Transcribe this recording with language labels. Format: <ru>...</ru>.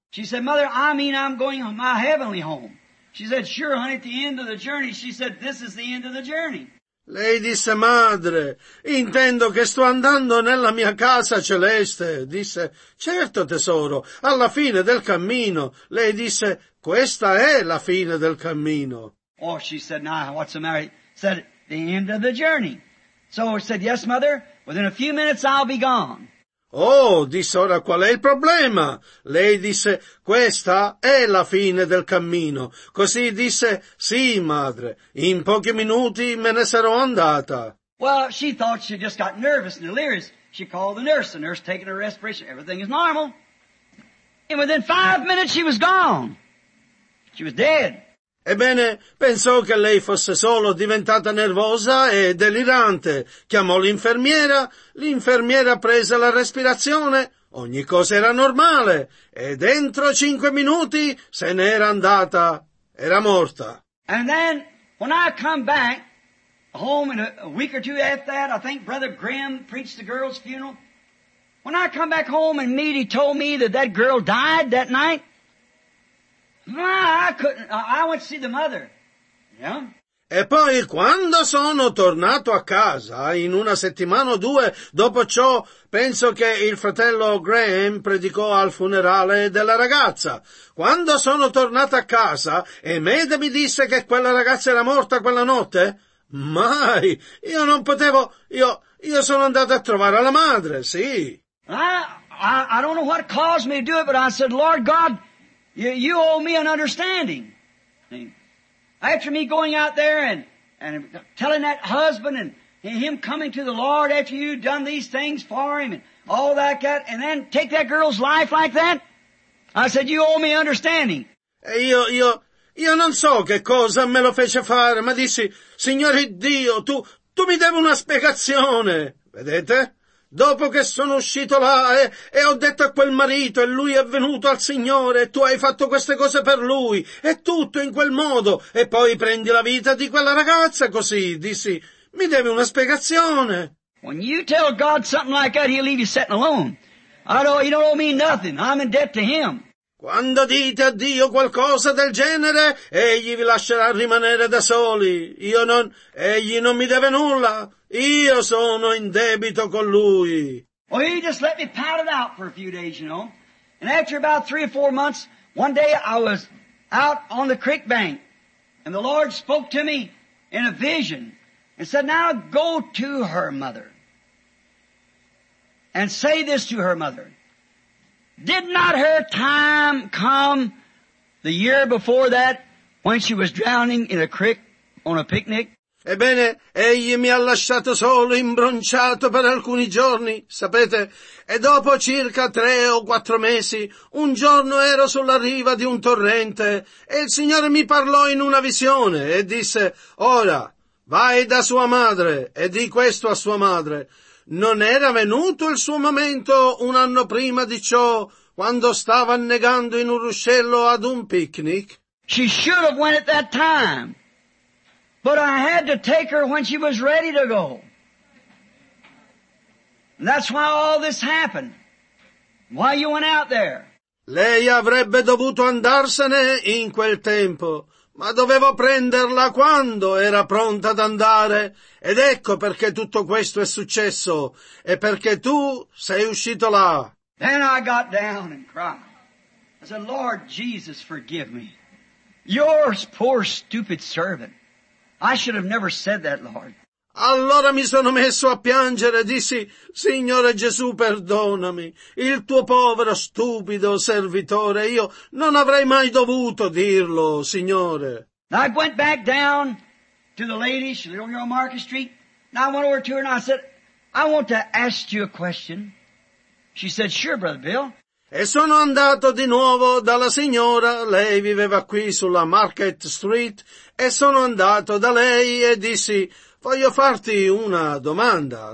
<en>She said, Mother, I mean I'm going to my heavenly home. She said, sure, honey, at the end of the journey, she said, this is the end of the journey.</en> <it>Lei disse, madre, intendo che sto andando nella mia casa celeste. Disse, certo tesoro, alla fine del cammino. Lei disse, questa è la fine del cammino.</it> <en>Oh, she said, nah, what's the matter? Said, the end of the journey. So she said, yes, mother, within a few minutes I'll be gone.</en> <it>Oh, disse, ora qual è il problema? Lei disse, questa è la fine del cammino. Così disse, sì, madre, in pochi minuti me ne sarò andata.</it> <en>Well, she thought she just got nervous and delirious. She called the nurse taking her respiration, everything is normal. And within 5 minutes she was gone. She was dead.</en> <it>Ebbene, pensò che lei fosse solo diventata nervosa e delirante. Chiamò l'infermiera. L'infermiera prese la respirazione. Ogni cosa era normale. E dentro 5 minuti se n'era andata. era morta.</it> <en>And then when I come back home in a week or two after that, I think Brother Graham preached the girl's funeral. When I come back home and meet, he told me that that girl died that night. I went to see the mother. Yeah.</en> <it>E poi quando sono tornato a casa, in una settimana o due dopo ciò, penso che il fratello Graham predicò al funerale della ragazza. Quando sono tornato a casa e Meda mi disse che quella ragazza era morta quella notte, mai, io non potevo, io sono andato a trovare la madre, sì.</it> <en>I don't know what caused me to do it, but I said, Lord God, you owe me an understanding. After me going out there and telling that husband and him coming to the Lord after you'd done these things for him and all that, and then take that girl's life like that, I said, you owe me understanding.</en> <it>E io non so che cosa me lo fece fare, ma dissi, Signore Dio, tu mi devi una spiegazione, vedete? Dopo che sono uscito là e ho detto a quel marito e lui è venuto al Signore e tu hai fatto queste cose per lui e tutto in quel modo e poi prendi la vita di quella ragazza così, dissi, mi devi una spiegazione.</it> <en>When you tell God something like that, he'll leave you sitting alone. You don't owe me nothing. I'm in debt to him.</en> <it>Quando dite a Dio qualcosa del genere, egli vi lascerà rimanere da soli. Egli non mi deve nulla. Io sono in debito con lui.</it> <en>Well, he just let me pat it out for a few days, you know. And after about 3 or 4 months, one day I was out on the creek bank, and the Lord spoke to me in a vision and said, now go to her mother and say this to her mother. Did not her time come the year before that when she was drowning in a creek on a picnic?</en> <it>Ebbene, egli mi ha lasciato solo, imbronciato per alcuni giorni, sapete? E dopo circa 3 o 4 mesi, un giorno ero sulla riva di un torrente e il Signore mi parlò in una visione e disse, ora, vai da sua madre e di questo a sua madre. Non era venuto il suo momento un anno prima di ciò, quando stava annegando in un ruscello ad un picnic?</it> <en>She should have went at that time, but I had to take her when she was ready to go. And that's why all this happened. Why you went out there?</en> <it>Lei avrebbe dovuto andarsene in quel tempo. Ma dovevo prenderla quando era pronta ad andare. Ed ecco perché tutto questo è successo. E perché tu sei uscito là.</it> <en>Then I got down and cried. I said, Lord Jesus, forgive me. Your poor stupid servant. I should have never said that, Lord.</en> <it>Allora mi sono messo a piangere. Dissi, Signore Gesù, perdonami. Il tuo povero, stupido servitore. Io non avrei mai dovuto dirlo, Signore.</it> <en>I went back down to the lady. She lived on your Market Street. And I went over to her and I said, I want to ask you a question. She said, sure, Brother Bill.</en> <it>E sono andato di nuovo dalla signora. Lei viveva qui sulla Market Street. E sono andato da lei e dissi, voglio farti una domanda.</it>